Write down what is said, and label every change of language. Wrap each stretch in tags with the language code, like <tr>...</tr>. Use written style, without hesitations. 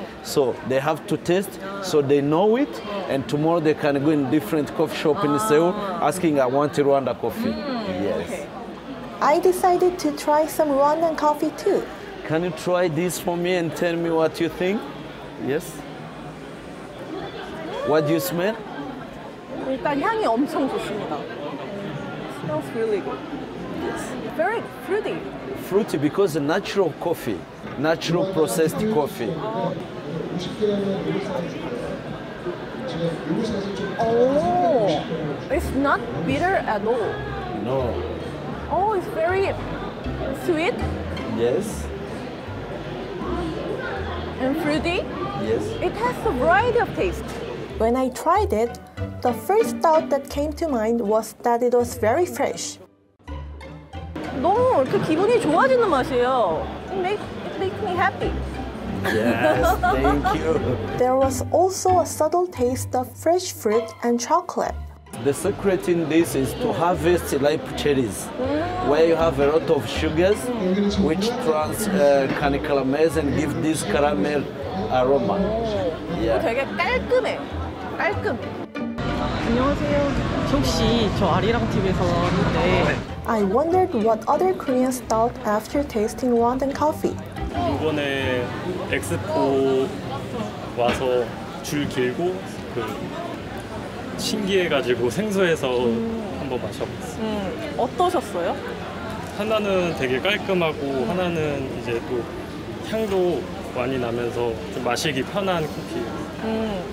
<en>So they have to taste, so they know it, and tomorrow they can go in different coffee shop in Seoul asking, I want Rwanda coffee. Yes. I decided to try some Rwandan coffee too. Can you try this for me and tell me what you think? Yes? What do you smell?</en> <ko>일단 향이 엄청 좋습니다.</ko> <en>Smells really good. Yes. Very fruity. Fruity because it's natural coffee, natural processed coffee. Oh, it's not bitter at all. No. Oh, it's very sweet. Yes. And fruity. Yes. It has a variety of taste. When I tried it, the first thought that came to mind was that it was very fresh.</en> <ko>너무 이렇게 기분이 좋아지는 맛이에요.</ko> <en>It makes me happy. Yes, thank you. There was also a subtle taste of fresh fruit and chocolate. The secret in this is to harvest ripe cherries, where you have a lot of sugars, which can caramelize and give this caramel aroma.</en> <ko>Yeah. 되게 깔끔해. 깔끔. 안녕하세요. 혹시 저 아리랑 TV에서 왔는데.</ko> <en>I wondered what other Koreans thought after tasting Rwandan coffee.</en> <ko>이번에 엑스포 와서 줄 길고 신기해가지고 생소해서 한번 마셔봤어요. 어떠셨어요? 하나는 되게 깔끔하고 하나는 이제 또 향도 많이 나면서 좀 마시기 편한 커피예요.</ko>